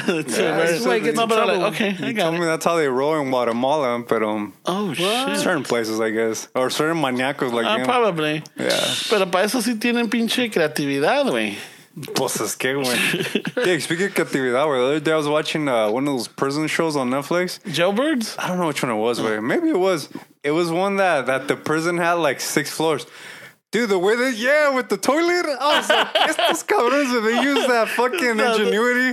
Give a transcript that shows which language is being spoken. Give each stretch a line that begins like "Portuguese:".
English: you told me that's how they roll in Guatemala, but certain places, I guess, or certain maniacos, like, probably. Yeah.
Spanish: Pero para eso sí tienen pinche creatividad, güey. Pues es que, güey.
English: Yeah, speaking of creatividad, the other day I was watching one of those prison shows on Netflix. Jailbirds? I don't know which one it was, but maybe it was. It was one that the prison had like 6 floors. Dude, the way that, with the toilet, I was like,
Spanish: estos cabrones,
English: they use that fucking ingenuity.